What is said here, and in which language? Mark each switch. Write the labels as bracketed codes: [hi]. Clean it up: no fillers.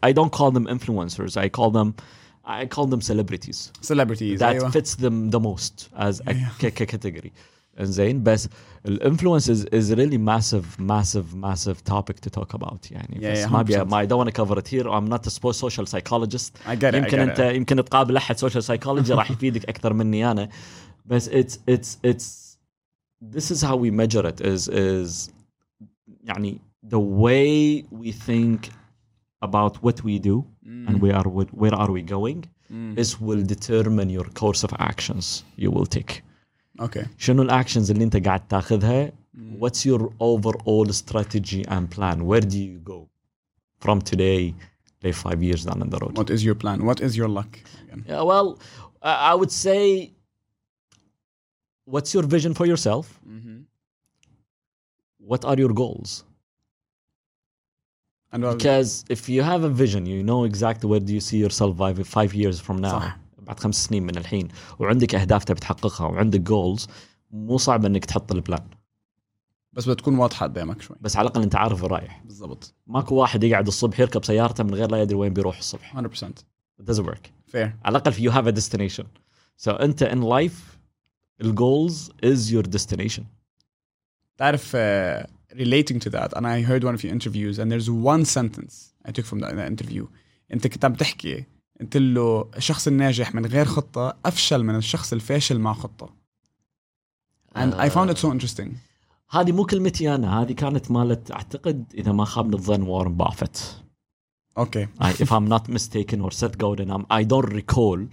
[en] I don't call them influencers. I call them celebrities. Celebrities that fits them the most as a category. And Zain, but influence is really massive topic to talk about. [ar] يعني. [en] Yeah, I don't want to cover it here. I'm not a sports social psychologist. I get it. [ar] يمكن تقابل أحد social psychology راح يفيدك أكثر مني أنا. [en] But it's this is how we measure it is يعني the way we think about what we do and where are we going this will determine your course of actions you will take. Okay. [ar] شنو الأكشنز اللي أنت قاعد تأخذها؟ [en] What's your overall strategy and plan? Where do you go from today to 5 years down the road? What is your plan? What is your luck? Yeah, well, I would say, what's your vision for yourself? Mm-hmm. What are your goals? And because if you have a vision, you know exactly where do you see yourself 5 years from now. [ar] صح. بعد 5 سنين من الحين وعندك أهداف تبي تحققها وعندك goals مو صعب إنك تحط البلان بس بتكون واضحة قدامك شوي بس على الأقل أنت عارف رايح بالضبط ماكو واحد يقعد الصبح يركب سيارته من غير لا يدري وين بيروح الصبح [en] 100% it doesn't work fair [ar] على الأقل [en] if you have a destination so أنت in life the goals is your destination تعرف relating to that and I heard one of your interviews and there's one sentence I took from that interview [ar] أنت كنت عم تحكي قلت له الشخص الناجح من غير خطة أفشل من الشخص الفاشل مع خطة [en] and I found it so interesting [ar] هذه مو كلمتي أنا هذه كانت مالت أعتقد إذا ما خابنا الظن وارن بافيت [en] okay if I'm not mistaken or Seth Godin I don't recall